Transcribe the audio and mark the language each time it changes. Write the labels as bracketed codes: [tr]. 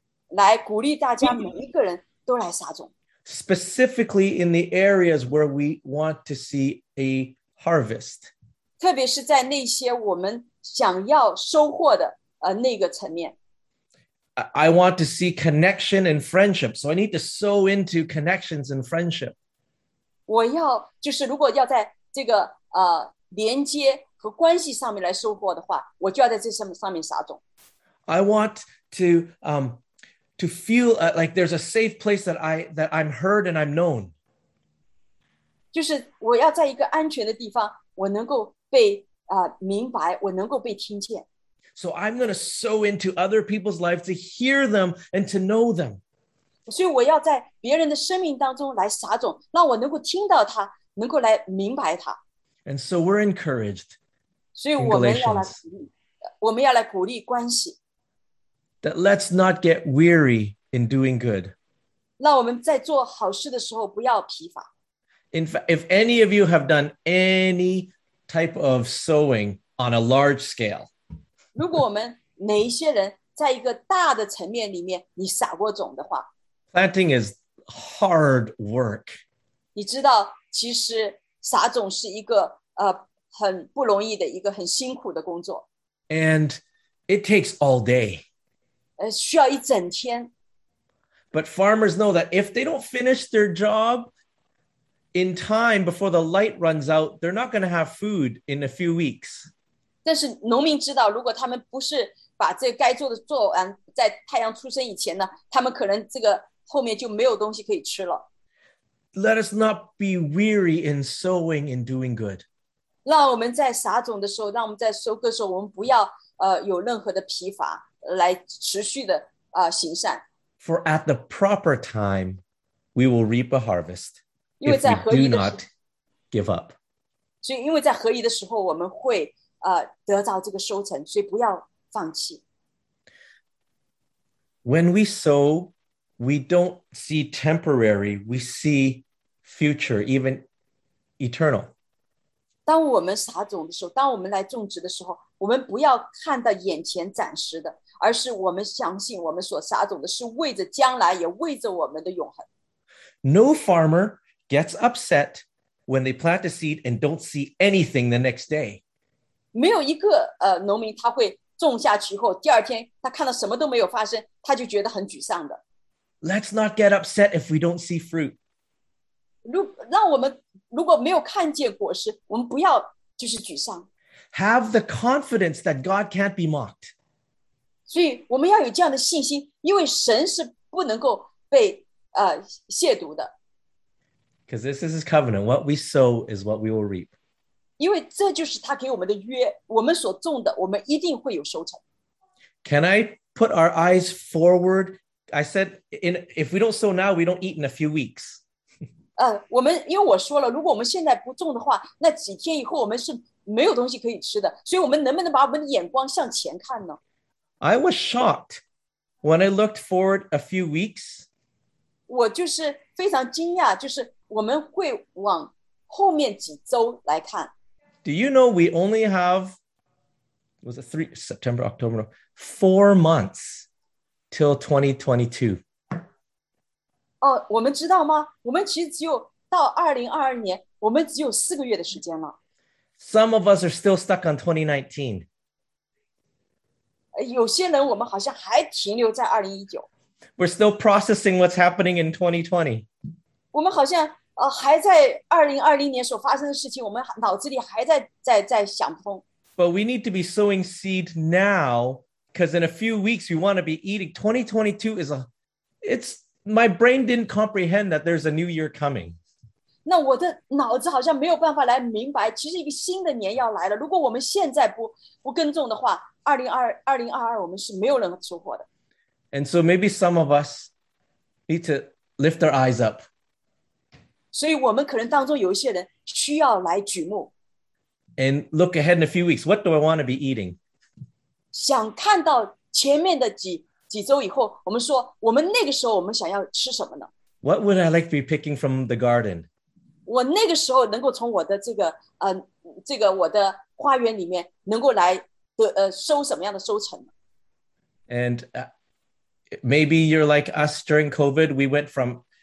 [zh] 来鼓励大家每一个人都来撒种。 [en] specifically in the areas where we want to see a harvest. [zh] 特别是在那些我们想要收获的那个层面。 [en] I want to see connection and friendship, so I need to sow into connections and friendship. [zh] 我要就是如果要在这个连接和关系上面来收获的话，我就要在这上面撒种。 [en] I want to feel like there's a safe place that I'm heard and I'm known. [zh] 就是我要在一个安全的地方，我能够被明白，我能够被听见。 [en] So I'm going to sow into other people's lives to hear them and to know them. [zh] 所以我要在别人的生命当中来撒种，让我能够听到他，能够来明白他。 [en] And so we're encouraged. [zh] 所以我们要来鼓励，我们要来鼓励关系。 [en] That let's not get weary in doing good. [zh] 让我们在做好事的时候不要疲乏。 [en] In fact, if any of you have done any type of sowing on a large scale, [zh] 如果我们哪一些人在一个大的层面里面你撒过种的话 [en] Planting is hard work. [zh] 你知道其实撒种是一个很不容易的一个很辛苦的工作。 [en] And it takes all day. [zh] 需要一整天。 [en] But farmers know that if they don't finish their job in time before the light runs out, they're not going to have food in a few weeks. [zh] 但是农民知道，如果他们不是把这个该做的做完，在太阳出生以前呢，他们可能这个后面就没有东西可以吃了。 [en] Let us not be weary in sowing and doing good. [zh] 让我们在撒种的时候，让我们在收割的时候，我们不要有任何的疲乏，来持续的行善。 [en] For at the proper time, we will reap a harvest. [zh] 因为在合宜的时候 [en] if we do not give up. [zh] 所以因为在合宜的时候，我们会得到这个收成，所以不要放弃。 [en] When we sow, we don't see temporary, we see future, even eternal. [zh] 当我们撒种的时候，当我们来种植的时候，我们不要看到眼前暂时的，而是我们相信我们所撒种的是为着将来，也为着我们的永恒。 [en] No farmer gets upset when they plant a seed and don't see anything the next day. [zh] 没有一个农民他会种下去后第二天他看到什么都没有发生他就觉得很沮丧的。 [en] Let's not get upset if we don't see fruit. [zh] 让我们如果没有看见果实我们不要就是沮丧。 [en] Have the confidence that God can't be mocked. [zh] 所以我们要有这样的信心因为神是不能够被亵渎的。 [en] Because this is his covenant. What we sow is what we will reap. [zh] 因为这就是他给我们的约，我们所种的，我们一定会有收成。 [en] Can I put our eyes forward? I said, if we don't sow now, we don't eat in a few weeks. [zh] 我们因为我说了，如果我们现在不种的话，那几天以后我们是没有东西可以吃的。所以，我们能不能把我们的眼光向前看呢 [en] ？I was shocked when I looked forward a few weeks. [zh] 我就是非常惊讶，就是我们会往后面几周来看。 [en] Do you know we only have, was it September, October, 4 months till 2022? [zh] 我们知道吗？我们其实只有到2022年，我们只有四个月的时间了。 [en] Some of us are still stuck on 2019. [zh] 有些人我们好像还停留在2019. [en] We're still processing what's happening in 2020. [zh] 我们好像还在2020年所发生的事情，我们脑子里还在想不通。 [en] But we need to be sowing seed now, because in a few weeks we want to be eating. 2022 is my brain didn't comprehend that there's a new year coming. [zh] 那我的脑子好像没有办法来明白，其实一个新的年要来了。如果我们现在不耕种的话，2022我们是没有人收获的。 [en] And so maybe some of us need to lift our eyes up. [zh] 所以我们可能当中有一些人需要来举目。 [en] And look ahead in a few weeks, what do I want to be eating? [zh] 想看到前面的几周以后，我们说我们那个时候我们想要吃什么呢？ [en] What would I like to be picking from the garden? [zh] 我那个时候能够从我的我的花园里面能够来收什么样的收成呢？ [en] And maybe you're like us during COVID, we went from